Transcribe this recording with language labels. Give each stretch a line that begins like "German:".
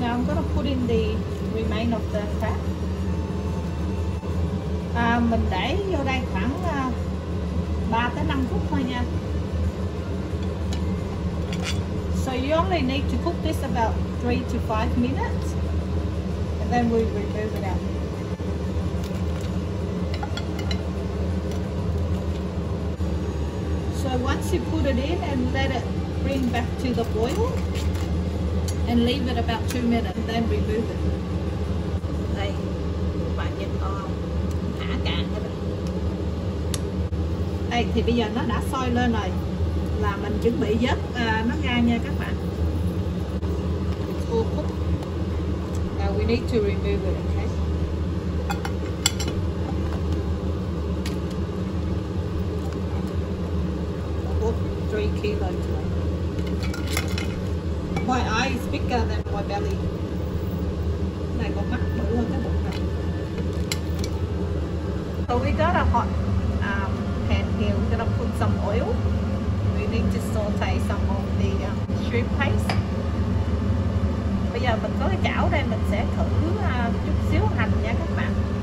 English: Now I'm gonna put in the remain of the crab.
Vietnamese: Mình để vô đây khoảng 3-5 phút thôi nha.
English: So you only need to cook this about 3-5 minutes, and then we remove it out. So once you put it in and let it bring back to the boil. And leave it about 2 minutes, then remove it.
Vietnamese: Đây, bạn nhìn to thả càng hết rồi. Đây, thì bây giờ nó đã sôi lên rồi. Là mình chuẩn bị dớt nó ra nha các bạn.
English: Now we need to remove it, okay? About 3 kilos today. My eye is bigger than my belly.
Vietnamese: Này có mắt bự hơn cái bụng này.
English: So we got a hot pan here. We're gonna put some oil. We need to saute some of the shrimp paste.
Vietnamese: Bây giờ mình có cái chảo đây, mình sẽ thử chút xíu hành nha các bạn.